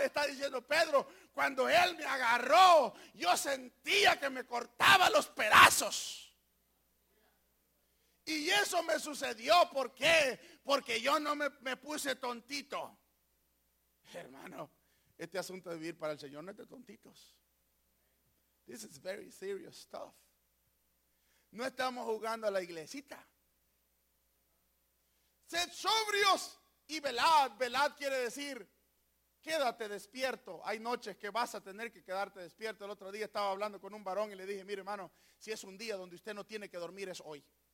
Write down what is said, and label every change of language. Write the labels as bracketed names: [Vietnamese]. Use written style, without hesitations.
[Spanish] Está diciendo Pedro, cuando él me agarró, yo sentía que me cortaba los pedazos. Y eso me sucedió, ¿por qué? Porque yo no me puse tontito. Hermano, este asunto de vivir para el Señor no es de tontitos. [English] This is very serious stuff. [Spanish] No estamos jugando a la iglesita. Sed sobrios y velad. Velad quiere decir, quédate despierto. Hay noches que vas a tener que quedarte despierto. El otro día estaba hablando con un varón y le dije, mire hermano, si es un día donde usted no tiene que dormir, es hoy.